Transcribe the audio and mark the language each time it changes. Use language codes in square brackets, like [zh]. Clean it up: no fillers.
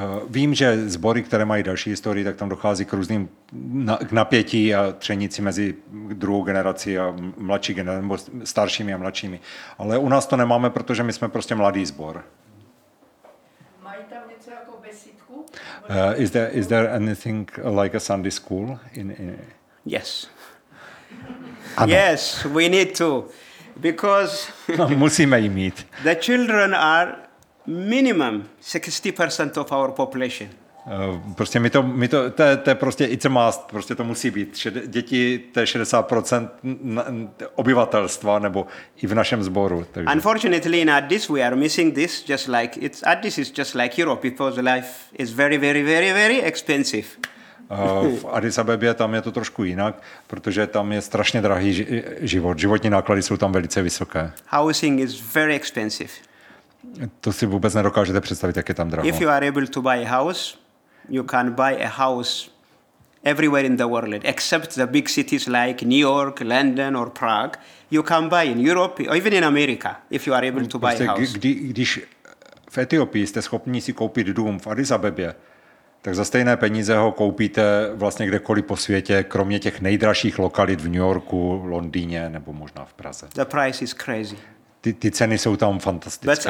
[cs] Vím, že sbory, které mají další historii, tak tam dochází k různým k napětí a třenici mezi druhou generací a mladší generací, nebo staršími a mladšími. Ale u nás to nemáme, protože my jsme prostě mladý sbor. Mají tam něco jako besídku? [en] Is there anything like a Sunday school in... Yes. Ano. Yes, we need to. Because [cs] musíme jí mít. [en] The children are minimum 60% of our population. [cs] Prostě to je prostě [en] it's a must, [cs] prostě to musí být. Děti to je 60% obyvatelstva nebo i v našem sboru. Takže. [en] Unfortunately, in Addis we are missing this, just like it's Addis is just like Europe, because life is very, very, very, very expensive. [cs] V Addis Abebě tam je to trošku jinak, protože tam je strašně drahý život. Životní náklady jsou tam velice vysoké. [en] Housing is very expensive. [cs] To si vůbec nedokážete představit, jak je tam draho. [en] If you are able to buy a house, you can buy a house everywhere in the world, except the big cities like New York, London or Prague. You can buy in Europe, or even in America, if you are able to buy a house. [cs] Když v Etiopii jste schopni si koupit dům v Addis Abebě, tak za stejné peníze ho koupíte vlastně kdekoliv po světě, kromě těch nejdražších lokalit v New Yorku, Londýně nebo možná v Praze. [en] The price is crazy. [cs] Ty ceny jsou tam fantastické.